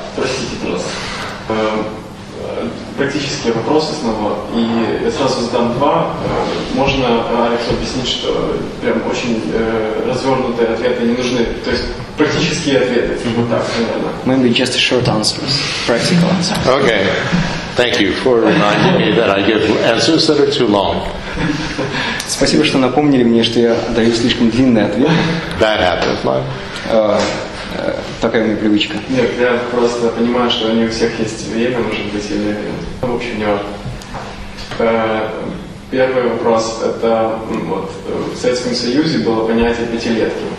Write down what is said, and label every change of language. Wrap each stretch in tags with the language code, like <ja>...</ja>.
<ru>Простите, пожалуйста. Практический вопрос основа. И я сразу задам два. Можно Алексу объяснить, что прям очень развернутые ответы не нужны. То есть практические ответы. Вот так, наверное.</ru> <en>Maybe just a short answers. Practical answers. Okay. Thank you for reminding me that I give answers that are too long.</en> <ru>Спасибо, что напомнили мне, что я даю слишком длинные ответы.</ru> <en>That happens, Mike.</en> <ru>Такая у меня привычка. Нет, я просто понимаю, что не у всех есть время, может быть, или... В общем, не важно. Первый вопрос – это вот в Советском Союзе было понятие пятилетки.</ru>